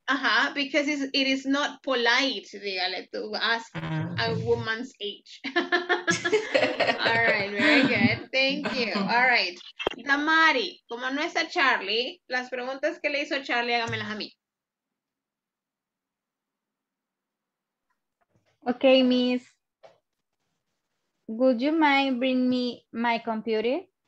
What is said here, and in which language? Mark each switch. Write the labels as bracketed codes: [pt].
[en] Ajá, because it is not polite, [es] dígale, [en] to ask a woman's age. All right, very good. Thank you. All right. [es] Damari, como no está Charlie, las preguntas que le hizo Charlie, hágamelas a mí. [en] Okay, miss, would you mind bring me my computer?